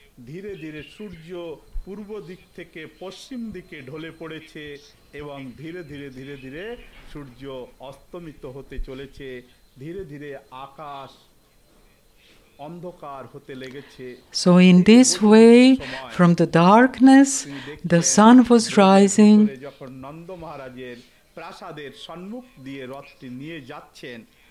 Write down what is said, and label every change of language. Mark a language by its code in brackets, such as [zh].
[bn] ধীরে ধীরে সূর্য পূর্ব দিক থেকে পশ্চিম দিকে ঢলে পড়েছে এবং ধীরে ধীরে ধীরে ধীরে সূর্য অস্তমিত হতে চলেছে ধীরে ধীরে আকাশ অন্ধকার হতে লেগেছে [en] So in this way from the darkness the sun was rising [bn] যখন নন্দ মহারাজের প্রাসাদের সম্মুখ দিয়ে রথটি নিয়ে যাচ্ছেন